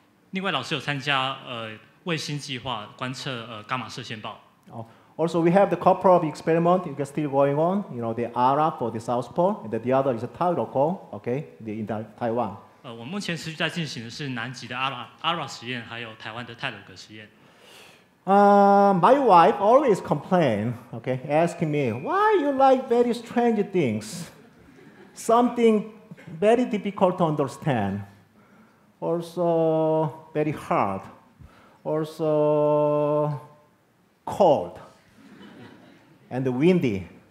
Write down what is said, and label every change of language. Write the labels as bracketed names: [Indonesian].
[Chinese] 另外老师有参加卫星计划观测伽马射线暴。 [English] Also, we have the couple of experiments that are still going on. You know, the ARA for the South Pole, and the other is a TAROGE, okay, in Taiwan. [Chinese] 我目前持续在进行的是南极的 ARA 实验，还有台湾的太鲁阁实验。 [English] My wife always complains, okay, asking me why you like very strange things, something very difficult to understand, also very hard, also cold. And windy.